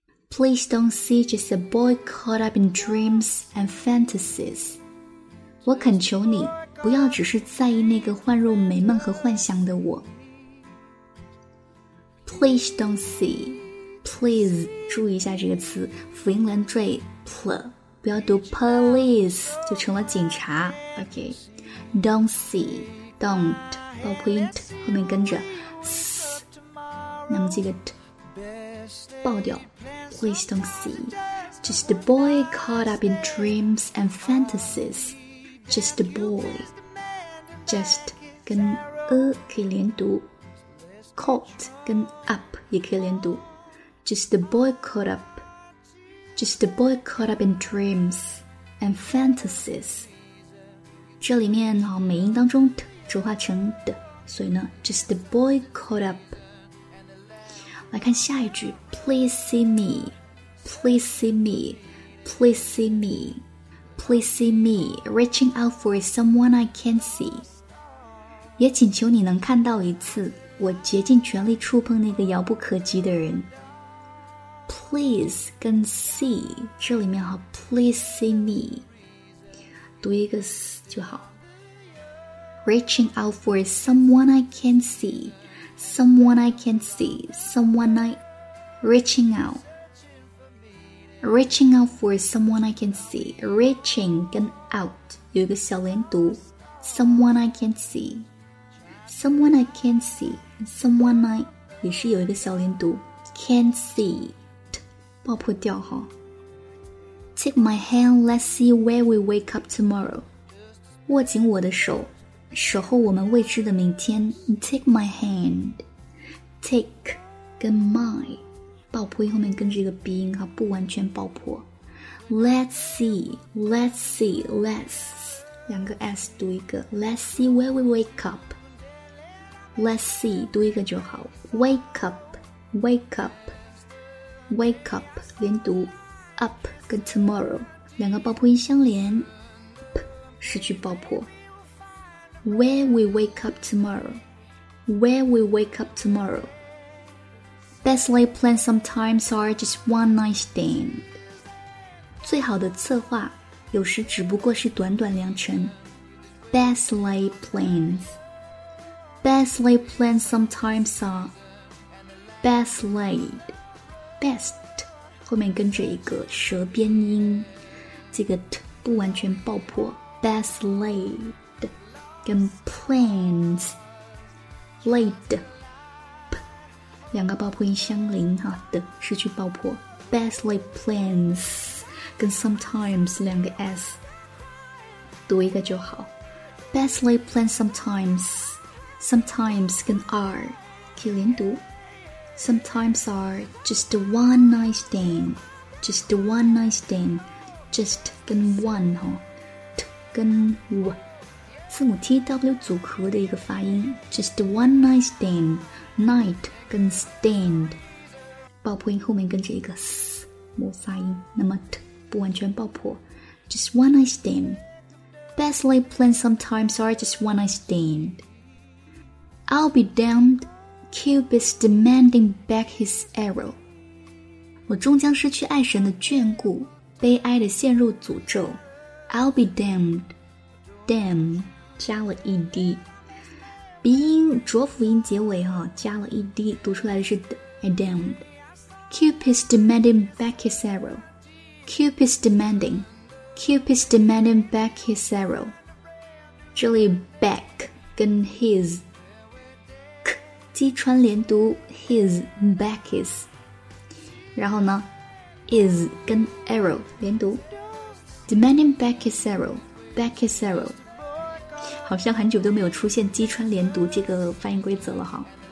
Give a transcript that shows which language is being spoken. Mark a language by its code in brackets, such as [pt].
[en] Please don't see just a boy caught up in dreams and fantasies。 [zh] 我恳求你不要只是在意那个幻入美梦和幻想的我。 [en] Please don't see Please [zh] 注意一下这个词，辅音连缀 pl， 不要读 police 就成了警察。 [en] OK Don't see Don't [zh] 包括 int 后面跟着 s， 那么这个 t 爆掉。 [en] Please don't see Just a boy caught up in dreams and fantasies。 Just a boy Just [zh] 跟 a 可以连读， caught 跟 up 也可以连读。 [en] Just a boy caught up Just a boy caught up in dreams and fantasies。 [zh] 这里面美音当中 t 浊化成 d， 所以呢 [en] Just a boy caught up。 [zh] 来看下一句， [en] Please see meplease see me, please see me, please see me, reaching out for someone I can't see。 [zh] 也请求你能看到一次，我竭尽全力触碰那个遥不可及的人。 Please 跟 see 这里面好， [en] please see me [zh] 读一个 s 就好。 [en] Reaching out for someone I can't see, someone I can't see, someone I reaching outReaching out for someone I can see. [zh] Reaching 跟 out 有一个小连读。 [en] Someone I can see Someone I can see Someone I [zh] 也是有一个小连读。 [en] Can see [zh] T 爆破掉哈。 [en] Take my hand, let's see where we wake up tomorrow。 [zh] 握紧我的手，守候我们未知的明天。 [en] Take my hand Take [zh] 跟 my爆破音后面跟着一个鼻音，不完全爆破。 [en] Let's see Let's see Let's [zh] 两个 S 读一个。 [en] Let's see where we wake up Let's see [zh] 读一个就好。 [en] Wake up Wake up Wake up [zh] 连读。 Up 跟 tomorrow 两个爆破音相连， P 失去爆破。 [en] Where we wake up tomorrow Where we wake up tomorrowBest laid plans sometimes are just one night stand。 [zh] 最好的策划有时只不过是短短良辰。 [en] Best laid plans Best laid plans sometimes are Best laid Best [zh] 后面跟着一个舌边音，这个 [en] t [zh] 不完全爆破。 Best laid 跟 plans Laid两个爆破音相邻哈，的失去爆破。 [en] Best laid plans [zh] 跟 sometimes 两个 s 读一个就好。 [en] best laid plans sometimes. [zh] Sometimes 跟 are 可以连读。 [en] Sometimes are just a one night stand. Just a one night stand. [zh] Just 跟 one 哈 ，t 跟 w， 字母 tw 组合的一个发音。 [en] Just a one night stand. [zh] Night 跟 stand， 爆破音后面跟着一个 s 磨发音，那么 t 不完全爆破。 [en] Just one night stand. Best laid plans sometimes are just one night stand. I'll be damned. Cupid's demanding back his arrow. [zh] 我终将失去爱神的眷顾，悲哀地陷入诅咒。 [en] I'll be damned. [zh] Damn 加了 ed， 鼻音浊辅音结尾哈，加了 ed， 读出来的是 damned. [en] Cupid's demanding back his arrow. Cupid's demanding. Cupid's demanding back his arrow. [zh] 这里 [en] back 跟 his。 [zh] 击穿连读 [en] his back is， [zh] 然后呢 is 跟 arrow 连读 [en] demanding back his arrow [zh] back his arrow， 好像很久都没有出现击穿连读这个发音规则了哈。